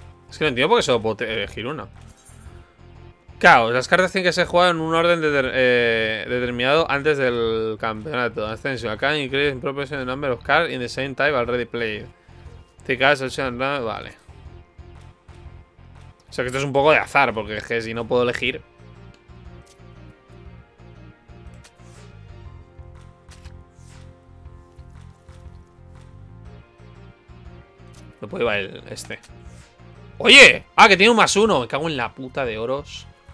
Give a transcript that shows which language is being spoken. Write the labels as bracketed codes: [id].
[es] Es que no entiendo por qué solo puedo elegir uno. Claro, las cartas tienen que ser jugadas en un orden determinado antes del campeonato. [en] Ascension, acá increase in proportion the number of cards in the same type already played. [es] Te caes, vale. O sea que esto es un poco de azar, porque es que si no puedo elegir. No puede ir el este. ¡Oye! ¡Ah, que tiene un más uno! Me cago en la puta de oros.